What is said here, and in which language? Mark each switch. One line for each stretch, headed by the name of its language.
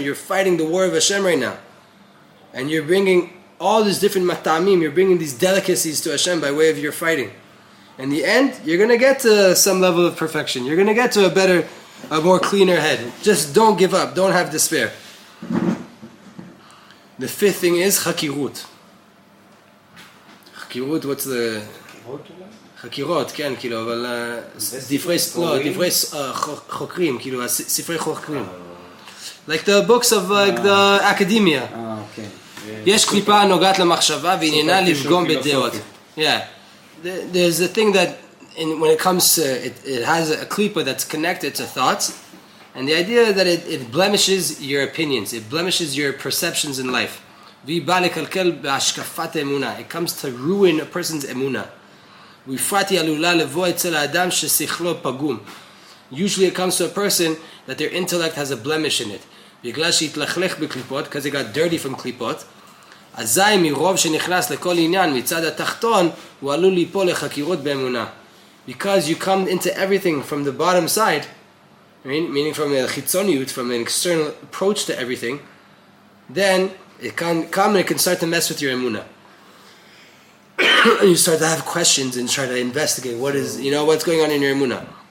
English: You're fighting the war of Hashem right now. And you're bringing all these different matamim, you're bringing these delicacies to Hashem by way of your fighting. In the end, you're going to get to some level of perfection. You're going to get to a better, a more cleaner head. Just don't give up. Don't have despair. The fifth thing is Chakirut. Chakirut, what's the...
Hebrew: חקירות, כן, כאילו, אבל דברי לא, דברי חוקרים, כאילו, ספרי חוקרים.
English: Like the books of like the academia.
Hebrew: יש קליפה נוגעת למחשבה ועניינה לפגום בדעות.
English: Yeah. There's a thing that in, when it comes to, it has a klipa that's connected to thoughts, and the idea that it blemishes your opinions, it blemishes your perceptions in life.
Hebrew: ובא לקלקל בהשקפת אמונה.
English: It comes to ruin a person's emunah.
Hebrew: ופרט היא עלולה לבוא אצל האדם ששכלו פגום.
English: Usually it comes to a person that their intellect has a blemish in it.
Hebrew: בגלל שהתלכלך בקליפות,
English: because it got dirty from קליפות,
Hebrew: אזי מרוב שנכנס לכל עניין מצד התחתון, הוא עלול ליפול לחקירות באמונה.
English: Because you come into everything from the bottom side, meaning from the חיצוניות, from an external approach to everything, then it can come and it can start to mess with your אמונה. You start to have questions and try to investigate what is, you know, what's going on in your emunah.